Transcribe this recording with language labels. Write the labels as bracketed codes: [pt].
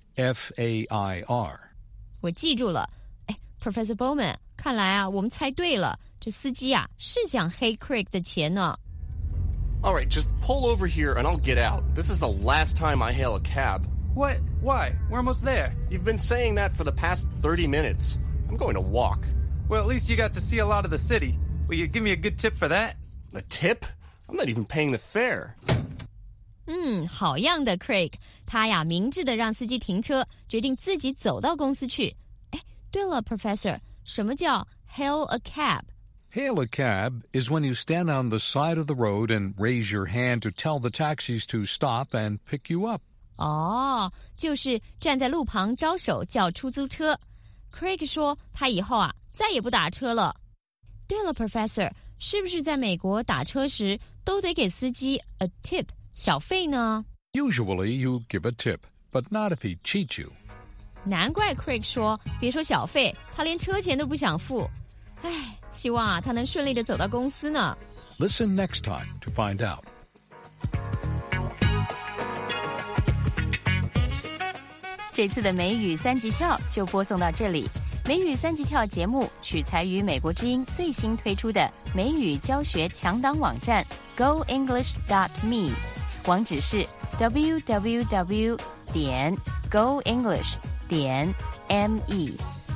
[en] F-A-I-R. [zh] 我记住了。哎 ,Professor Bowman, 看来啊我们猜对了。这司机啊是想黑 Craig 的钱呢。 [en] All right, just pull over here and I'll get out. This is the last time I hail a cab. What? Why? We're almost there. You've been saying that for the past 30 minutes. I'm going to walk. Well, at least you got to see a lot of the city. Will you give me a good tip for that? A tip? I'm not even paying the fare. [zh] 好样的 Craig, 他呀明智地让司机停车，决定自己走到公司去。哎，对了 Professor, 什么叫 [en] hail a cab? Hail a cab is when you stand on the side of the road and raise your hand to tell the taxis to stop and pick you up. [zh] 哦，就是站在路旁招手叫出租车。 Craig 说他以后啊再也不打车了。对了 Professor, 是不是在美国打车时都得给司机 a tip? 小费呢 [en] Usually you give a tip, but not if he cheats you. [zh] 难怪 Craig 说，别说小费，他连车钱都不想付。哎，希望啊，他能顺利地走到公司呢。 [en] Listen next time to find out. [zh] 这次的美语三级跳就播送到这里。美语三级跳节目取材于美国之音最新推出的美语教学强档网站 goenglish.me。网址是 www.goenglish.me